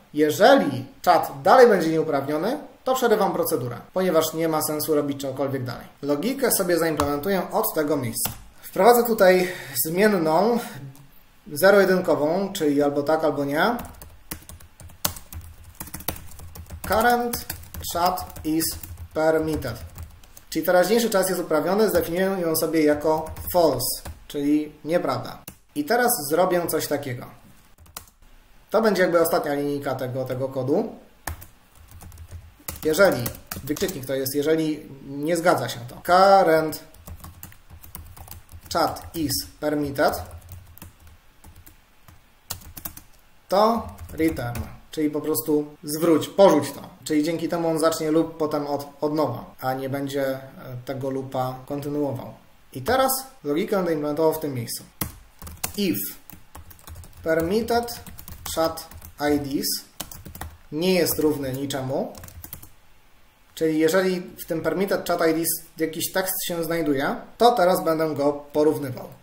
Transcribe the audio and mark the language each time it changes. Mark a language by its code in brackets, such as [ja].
[pl] Jeżeli czat dalej będzie nieuprawniony, to przerywam procedurę, ponieważ nie ma sensu robić czegokolwiek dalej. Logikę sobie zaimplementuję od tego miejsca. Wprowadzę tutaj zmienną, zero-jedynkową, czyli albo tak, albo nie. [en] Current chat is permitted. [pl] Czyli teraźniejszy czas jest uprawniony, zdefiniuję ją sobie jako false, czyli nieprawda. I teraz zrobię coś takiego. To będzie jakby ostatnia linijka tego kodu. Jeżeli, wykrzyknik to jest, jeżeli nie zgadza się to. [en] Current chat is permitted. [pl] To return, czyli po prostu zwróć, porzuć to. Czyli dzięki temu on zacznie loop potem od nowa, a nie będzie tego loopa kontynuował. I teraz logikę będę implementował w tym miejscu. If permitted chat IDs nie jest równy niczemu, czyli jeżeli w tym permitted chat IDs jakiś tekst się znajduje, to teraz będę go porównywał.